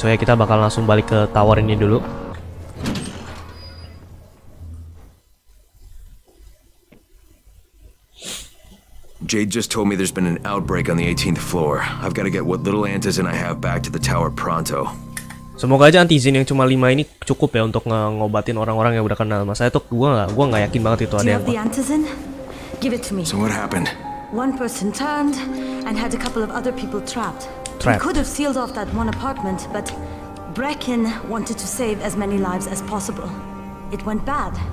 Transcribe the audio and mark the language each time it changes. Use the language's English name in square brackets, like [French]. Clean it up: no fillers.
[Indonesian] So ya kita bakal langsung balik ke tawar ini dulu. [English] Jade just told me there's been an outbreak on the 18th floor. I've got to get what little antizen I have back to the tower pronto. [Indonesian] Semoga aja antizin yang cuma 5 ini cukup ya untuk ngobatin orang-orang yang udah kenal sama saya. Tuh gua enggak yakin banget itu ada yang. [English] Give it to me. So what happened? One person turned and had a couple of other people trapped. Trapped. We could have sealed off that one apartment, but Brecken wanted to save as many lives as possible. It went bad.